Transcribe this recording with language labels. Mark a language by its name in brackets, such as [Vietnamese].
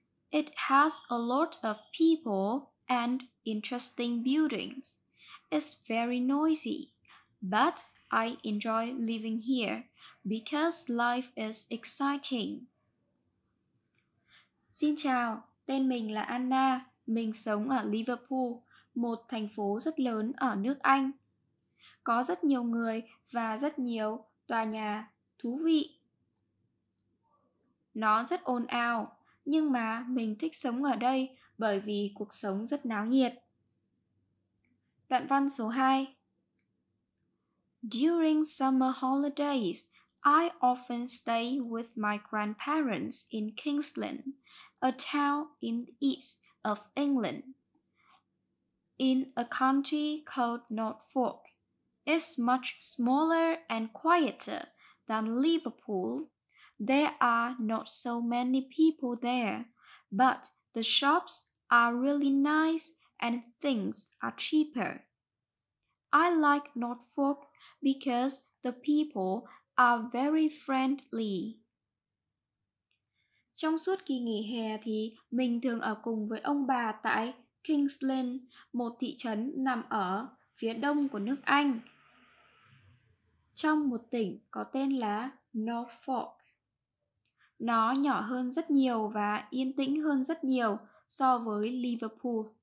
[English] It has a lot of people and interesting buildings. It's very noisy, but I enjoy living here because life is exciting. [Vietnamese] Xin chào, tên mình là Anna. Mình sống ở Liverpool, một thành phố rất lớn ở nước Anh. Có rất nhiều người và rất nhiều tòa nhà thú vị. Nó rất ồn ào, nhưng mà mình thích sống ở đây bởi vì cuộc sống rất náo nhiệt. Đoạn văn số 2. [English] During summer holidays, I often stay with my grandparents in Kingsland, a town in the east of England, in a county called Norfolk. It's much smaller and quieter than Liverpool. There are not so many people there, but the shops are really nice and things are cheaper. I like Norfolk because the people are very friendly. [Vietnamese] Trong suốt kỳ nghỉ hè thì mình thường ở cùng với ông bà tại Kingsland, một thị trấn nằm ở phía đông của nước Anh, trong một tỉnh có tên là Norfolk. Nó nhỏ hơn rất nhiều và yên tĩnh hơn rất nhiều so với Liverpool.